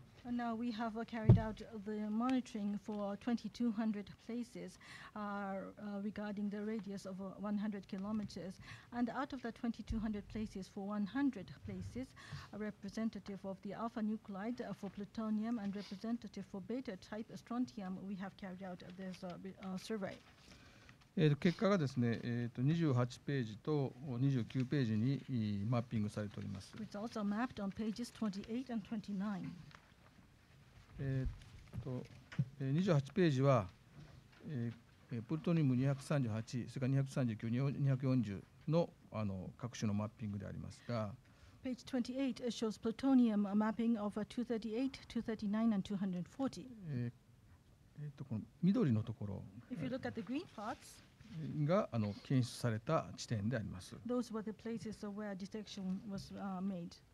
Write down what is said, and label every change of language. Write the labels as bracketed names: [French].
[English] Now we have carried out the monitoring for 2,200 places regarding the radius of 100 kilometers. And out of the 2,200 places, for 100 places, a representative of the alpha nuclide for plutonium and representative for beta type strontium, we have carried out this survey. [Japanese] 結果がですね、28ページと29ページにマッピングされております。 [English] Results are mapped on pages 28 and 29. [Japanese] 28ページは、プルトニウム238、それから239、240 の、 各種のマッピングでありますが、 [English] Page 28 shows plutonium mapping of 238, 239 and 240. [Japanese] この緑のところ、 [English] If you look at the green parts, [Japanese] が検出された地点であります。 [English] Those were the places where detection was made.